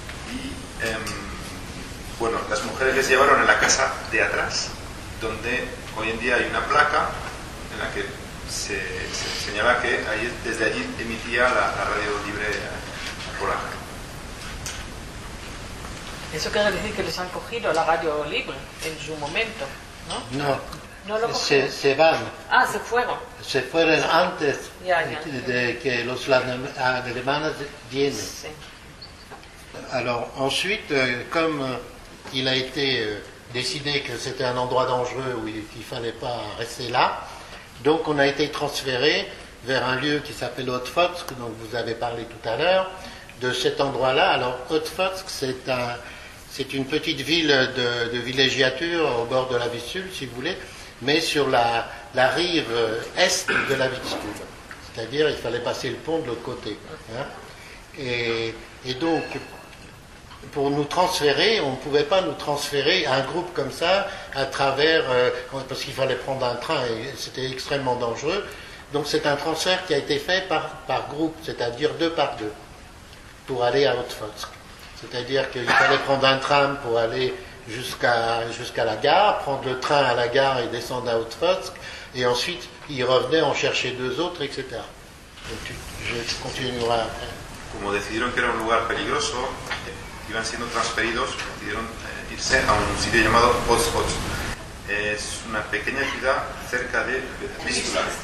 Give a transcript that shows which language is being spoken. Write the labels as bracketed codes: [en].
[es] Y bueno, las mujeres les llevaron a la casa de atrás, donde hoy en día hay una placa en la que se señala que ahí, desde allí emitía la radio libre polaca. Eso quiere decir que les han cogido la radio libre en su momento, ¿no? No. Se van. Ah, se fueron. Se fueron antes de que los alemanes vienen. Sí. [fr] Alors, ensuite, comme il a été décidé que c'était un endroit dangereux où il fallait pas rester là, donc on a été transféré vers un lieu qui s'appelle Otfotsk, dont vous avez parlé tout à l'heure, de cet endroit-là. Alors, Otfotsk, c'est une petite ville de villégiature au bord de la Vistule, si vous voulez, mais sur la rive est de la Vistule. C'est-à-dire, il fallait passer le pont de l'autre côté. Hein. Et donc, pour nous transférer, on ne pouvait pas nous transférer à un groupe comme ça, à travers, parce qu'il fallait prendre un train, et c'était extrêmement dangereux. Donc c'est un transfert qui a été fait par groupe, c'est-à-dire deux par deux, pour aller à Otfotsk. C'est-à-dire qu'il fallait prendre un train pour aller jusqu'à la gare, prendre le train à la gare et descendre à Otfotsk, et ensuite il revenait en chercher deux autres, etc. Donc je continuerai après. [es] Como decidieron que era un lugar peligroso, iban siendo transferidos, decidieron irse a un sitio llamado Otfotsk. Es una pequeña ciudad cerca de Vistula.